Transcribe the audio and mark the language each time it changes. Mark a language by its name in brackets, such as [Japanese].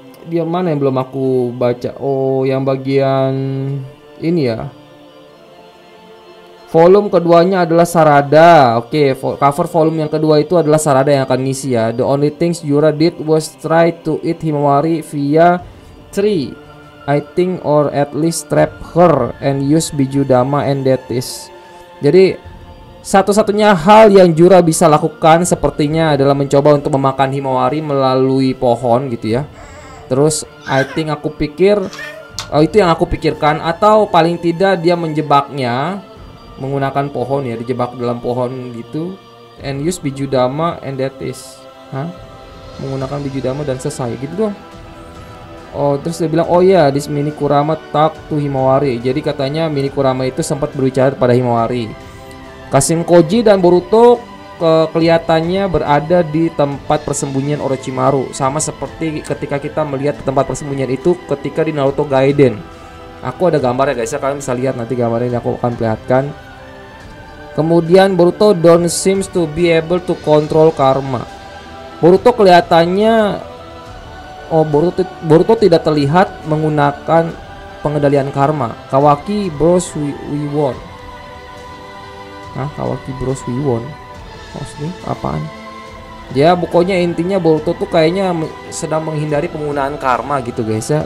[Indonesian] Dia mana yang belum aku baca? Oh, yang bagian ini ya. Volume keduanya adalah Sarada. Oke, cover volume yang kedua itu adalah Sarada yang akan ngisi ya. [English] The only things Jura did was try to eat Himawari via tree, I think, or at least trap her and use Bijudama and that is. [Indonesian] Jadi satu-satunya hal yang Jura bisa lakukan sepertinya adalah mencoba untuk memakan Himawari melalui pohon gitu ya. Terus [English] I think, [Indonesian] aku pikir, oh, itu yang aku pikirkan, atau paling tidak dia menjebaknya menggunakan pohon ya, dijebak dalam pohon gitu [English] and use Bijudama and that is. [Indonesian] Hah? Menggunakan Bijudama dan selesai gitu dong. Oh, terus dia bilang, oh ya, yeah, [English] this mini Kurama talk to Himawari. [Indonesian] Jadi katanya mini Kurama itu sempat berbicara pada Himawari. Kasim Koji dan Boruto kelihatannya berada di tempat persembunyian Orochimaru, sama seperti ketika kita melihat tempat persembunyian itu ketika di Naruto Gaiden. Aku ada gambarnya guys, kalian bisa lihat nanti gambarnya yang aku akan perlihatkan. [English] Kemudian Boruto don't seems to be able to control karma. [Indonesian] Boruto kelihatannya, oh, Boruto tidak terlihat menggunakan pengendalian karma. Kawaki Bros we won. Hah, Kawaki Bros we won. Maksudnya apaan? Ya, pokoknya intinya Boruto tuh kayaknya sedang menghindari penggunaan karma gitu guys ya.